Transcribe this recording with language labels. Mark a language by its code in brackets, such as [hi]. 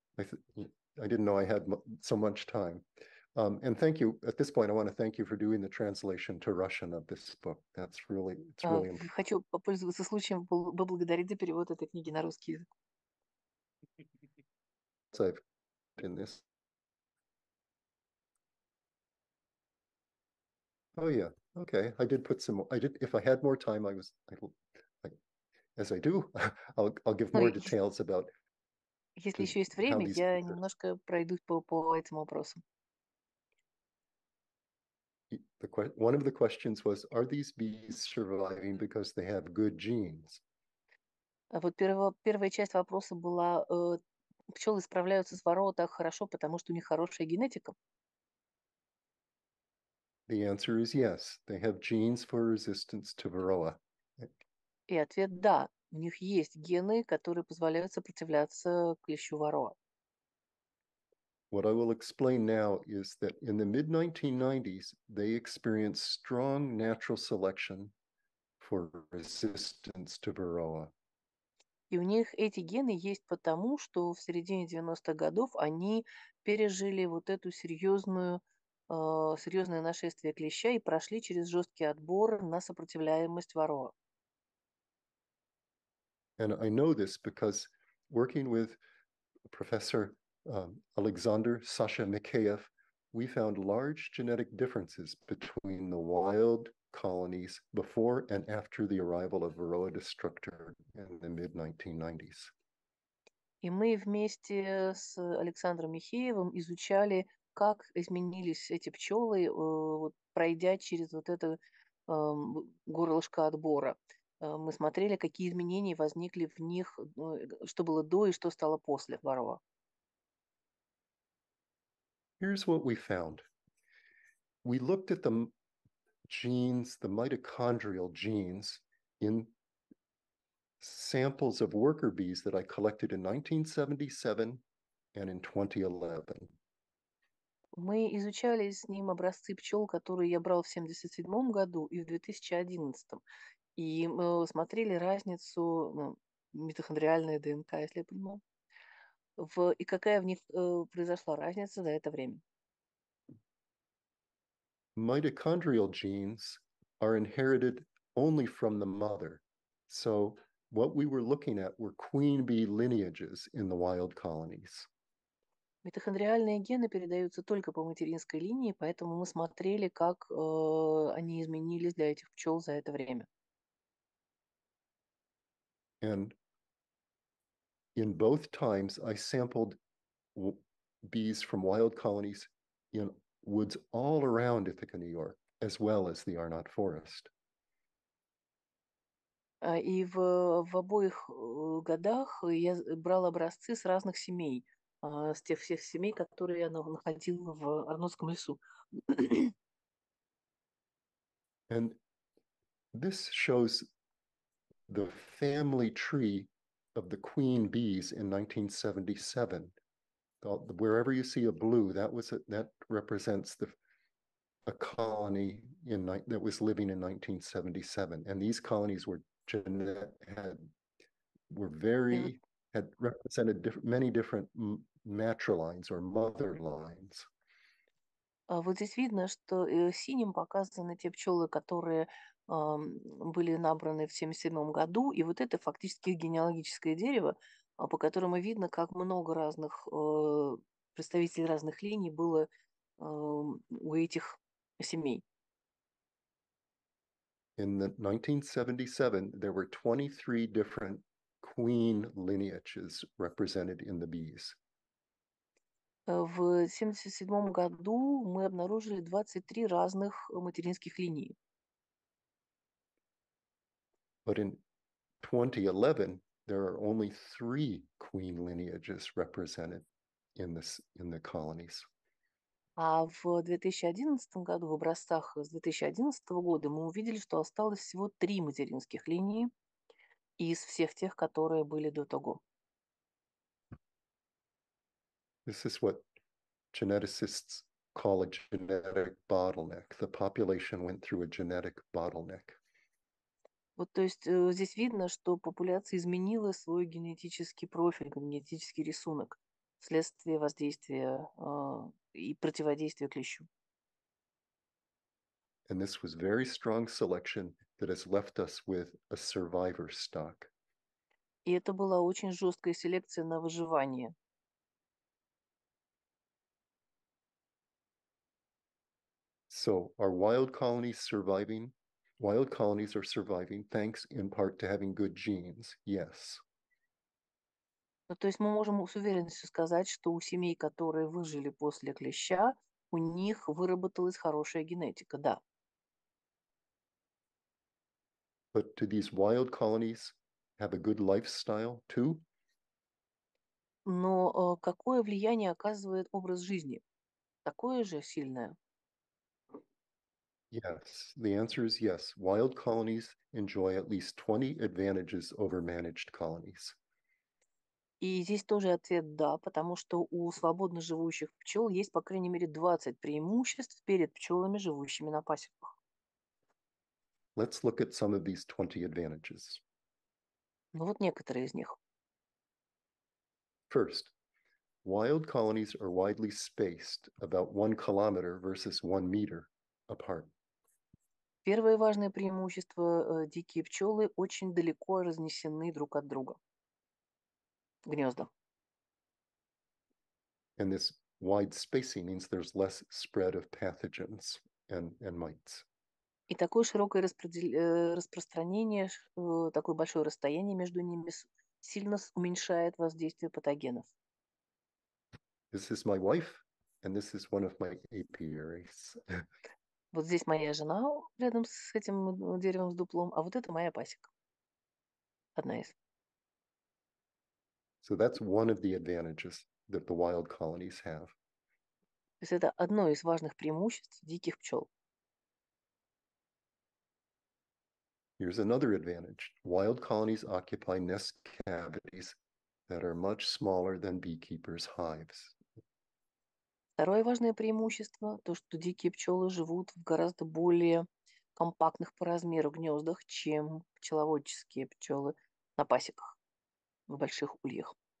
[en] I didn't know I had so much time. And thank you. At this point, I want to thank you for doing the translation to Russian of this book. That's really, it's really important. [ru] Хочу попользоваться случаем поблагодарить за перевод этой книги на русский язык. [en] So I've been this. Oh yeah. Okay, I did put some. I did. If I had more time, I'll give more details about. [ru] Если еще есть время, я немножко пройдусь по этим вопросам. [en] One of the questions was: Are these bees surviving because they have good genes? [ru] Вот первая часть вопроса была: пчелы справляются с вороной так хорошо, потому что у них хорошая генетика? [en] The answer is yes. They have genes for resistance to varroa. [ru] И ответ да. У них есть гены, которые позволяют сопротивляться клещу варроа. [en] What I will explain now is that in the mid-1990s, they experienced strong natural selection for resistance to varroa. [ru] И у них эти гены есть потому, что в середине 90-х годов они пережили вот эту серьезное нашествие клеща и прошли через жесткий отбор на сопротивляемость варроа. [en] And I know this because working with professor Alexander Sasha Mikheyev, we found large genetic differences between the wild colonies before and after the arrival of varroa destructor in the mid-1990s. [ru] И мы вместе с Александром Михеевым изучали, как изменились эти пчелы, вот, пройдя через вот это горлышко отбора. Мы смотрели, какие изменения возникли в них, что было до и что стало после варроа. [en] Here's what we found. We looked at the genes, the mitochondrial genes, in samples of worker bees that I collected in 1977 and in 2011. [ru] Мы изучали с ним образцы пчел, которые я брал в 1977 году и в 2011, и мы смотрели разницу митохондриальной ДНК, если я понимаю, и какая в них произошла разница за это время. [en] Mitochondrial genes are inherited only from the mother, so what we were looking at were queen bee lineages in the wild colonies. [ru] Митохондриальные гены передаются только по материнской линии, поэтому мы смотрели, как они изменились для этих пчел за это время. [en] And in both times, I sampled bees from wild colonies in woods all around Ithaca, New York, as well as the Arnott Forest. [ru] И в обоих годах я брал образцы с разных семей, с тех всех семей, которые я находил в Арнотском лесу. [en] And this shows the family tree of the queen bees in 1977. Wherever you see a blue, that represents a colony that was living in 1977. And these colonies had represented many different matrilines or mother lines. [ru] Вот здесь видно, что синим показаны те пчелы, которые были набраны в 77 году, и вот это фактически генеалогическое дерево, по которому видно, как много разных представителей разных линий было у этих семей. [en] In the 1977, there were 23 different queen lineages represented in the bees. [ru] В 77 году мы обнаружили 23 разных материнских линий. [en] But in 2011, there are only 3 queen lineages represented in the colonies. [ru] А в 2011 году, в образцах с 2011 года, мы увидели, что осталось всего 3 материнских линии из всех тех, которые были до того. [en] This is what geneticists call a genetic bottleneck. The population went through a genetic bottleneck. [ru] Вот, то есть здесь видно, что популяция изменила свой генетический профиль, генетический рисунок вследствие воздействия и противодействия клещу. [en] And this was very strong selection that has left us with a survivor stock. [ru] И это была очень жесткая селекция на выживание. [en] So are wild colonies surviving? Wild colonies are surviving thanks in part to having good genes. Yes. [ru] Ну, то есть мы можем с уверенностью сказать, что у семей, которые выжили после клеща, у них выработалась хорошая генетика, да. [en] But do these wild colonies have a good lifestyle too? [ru] Но какое влияние оказывает образ жизни? Такое же сильное? [en] Yes, the answer is yes. Wild colonies enjoy at least 20 advantages over managed colonies. [ru] И здесь тоже ответ да, потому что у свободно живущих пчел есть по крайней мере 20 преимуществ перед пчелами, живущими на пасеках. [en] Let's look at some of these 20 advantages. [ru] Ну вот некоторые из них. [en] First, wild colonies are widely spaced, about 1 kilometer versus 1 meter apart. [ru] Первое важное преимущество – дикие пчелы очень далеко разнесены друг от друга. Гнезда. [en] And this wide spacing means there's less spread of pathogens and mites. [ru] И такое широкое распространение, такое большое расстояние между ними сильно уменьшает воздействие патогенов. [en] This is my wife, and this is one of my apiaries. [ru] Вот здесь моя жена рядом с этим деревом с дуплом, а вот это моя пасека. Одна из. [en] So that's one of the advantages that the wild colonies have. [ru] То есть это одно из важных преимуществ диких пчел. [en] Here's another advantage. Wild colonies occupy nest cavities that are much smaller than beekeepers' hives. [ru] Второе важное преимущество – то, что дикие пчелы живут в гораздо более компактных по размеру гнездах, чем пчеловодческие пчелы на пасеках, в больших ульях.